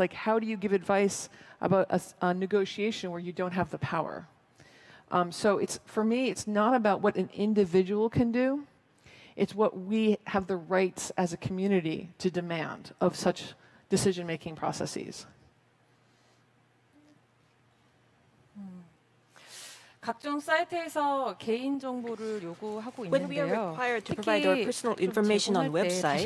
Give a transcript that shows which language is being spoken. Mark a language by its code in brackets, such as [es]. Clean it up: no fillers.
[en] Like, how do you give advice about a negotiation where you don't have the power? So it's, for me, it's not about what an individual can do. It's what we have the rights as a community to demand of such decision-making processes. [ko] 각종 사이트에서 개인 정보를 요구하고 [en] when [ko] 있는데요. [en] When we are required to provide our personal information on websites,